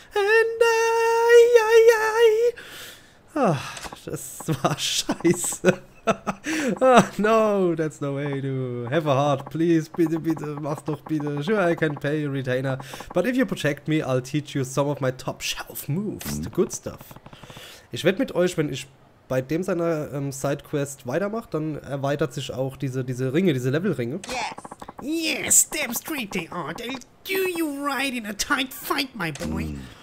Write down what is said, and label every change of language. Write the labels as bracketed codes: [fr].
[en] And I. [de] Ah, das war scheiße. [en] No, that's no way to have a heart. Please, [de] bitte, mach doch bitte. [en] Sure, I can pay a retainer. But if you protect me, I'll teach you some of my top shelf moves. The good stuff. [de] Ich wette mit euch, wenn ich bei dem seiner Sidequest weitermacht, dann erweitert sich auch diese Ringe, diese Levelringe. [en] Yes, damn straight they are. They'll do you right in a tight fight, my boy.